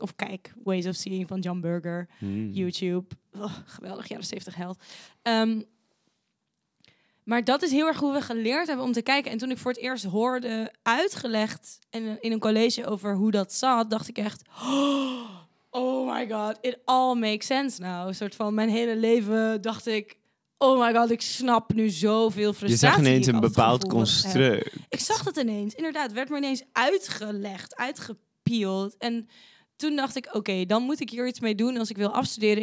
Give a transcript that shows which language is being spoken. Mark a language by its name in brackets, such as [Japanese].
[Dutch] Of kijk Ways of Seeing van John Berger. Hmm. YouTube. Oh, geweldig, jaren 70 held. Maar dat is heel erg hoe we geleerd hebben om te kijken. En toen ik voor het eerst hoorde uitgelegd in een college over hoe dat zat, dacht ik echt... [English] Oh my god, it all makes sense now. [Dutch] Een soort van mijn hele leven dacht ik... [English] Oh my god, [Dutch] ik snap nu zoveel frustratie. Je zag ineens een bepaald construct. Ik zag dat ineens. Inderdaad, werd me ineens uitgelegd, uitgepield. En toen dacht ik, oké, dan moet ik hier iets mee doen als ik wil afstuderen.